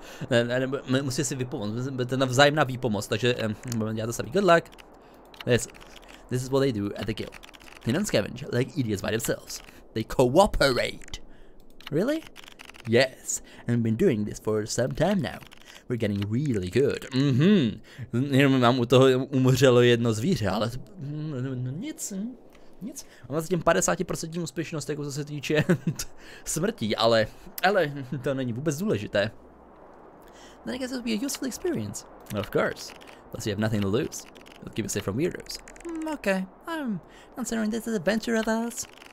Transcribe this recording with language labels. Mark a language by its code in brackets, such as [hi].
[cs] Ne, musíte si vypomoct, to je navzájemná výpomoc, takže budeme dělat to samý. [en] Good luck! This is what they do at the guild. They don't scavenge like idiots by themselves. They cooperate! Really? Yes, and we've been doing this for some time now. We're getting really good. [cs] Jenom mám u toho umřelo jedno zvíře, ale nic. Nic, mám zatím 50% úspěšnost, jako se týče smrti, ale to není vůbec důležité. [en] Then I guess it'll be a useful experience. Of course, unless you have nothing to lose. It'll keep us safe from weirdos. Okay, I'm considering this an adventure of us.